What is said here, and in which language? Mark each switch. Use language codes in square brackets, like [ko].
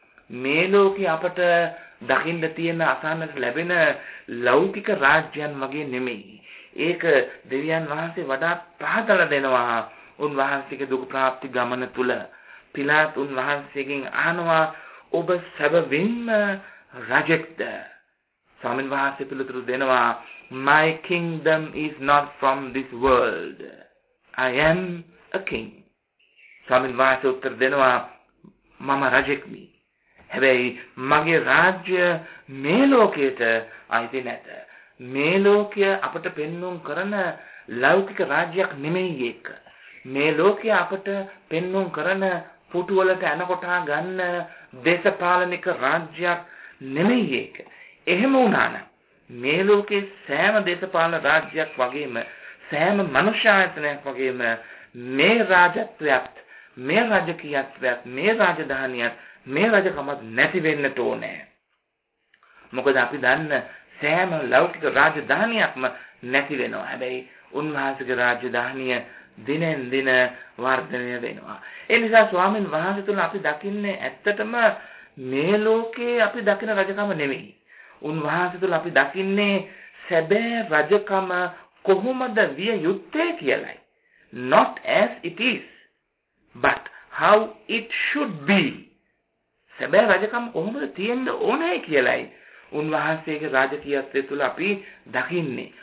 [si] මේ ලෝකේ අපට දකින්න තියෙන අසන්නට ලැබෙන ලෞකික රාජ්‍යයන් වගේ නෙමෙයි. ඒක දෙවියන් වහන්සේ වඩා පහදලා දෙනවා උන්වහන්සේගේ දුක ප්‍රාප්ති ගමන තුල. පිලාත් උන්වහන්සේගෙන් අහනවා ඔබ සැබවින්ම රජෙක්ද? ස්වාමීන් වහන්සේ පිළිතුරු දෙනවා [en] My kingdom is not from this world. I am a king. [si] ස්වාමීන් වහන්සේ උත්තර දෙනවා මම රජෙක්මි. හැබැයි මගේ රාජ්‍ය මේ ලෝකයට අයිති නැත. මේ ලෝකය අපට පෙන්වුම් කරන ලෞකික රාජ්‍යයක් නෙමෙයි ඒක. මේ ලෝකය අපට පෙන්වුම් කරන පුටුවලට ඇන කොටා ගන්න දේශපාලනික රාජ්‍යයක් නෙමෙයි ඒක. එහෙම වුණානම් මේ ලෝකේ සෑම දේශපාලන රාජ්‍යයක් වගේම සෑම මනුෂ්‍ය ආයතනයක් වගේම මේ රාජත්වයක්, මේ රාජකීයත්වයක්, මේ රාජධානියක්, මේ රජකමක් නැති වෙන්නට ඕනේ. මොකද අපි දන්න සෑම ලෞකික රාජධානියක්ම නැති වෙනවා. හැබැයි උන්වහන්සේගේ රාජධානිය දිනෙන් දින වර්ධනය වෙනවා. ඒ නිසා ස්වාමීන් වහන්සේ තුළ අපි දකින්නේ ඇත්තටම මේ ලෝකේ අපි දකින රජකම නෙමෙයි. උන්වහන්සේ තුළ අපි දකින්නේ සැබෑ රජකම කොහොමද විය යුත්තේ කියලයි. [en] Not as it is, but how it should be. [si] සැබෑ රජකම කොහොමද තියෙන්න ඕනේ කියලයි උන්වහන්සේගේ රාජකීයත්වය තුළ අපි දකින්නේ.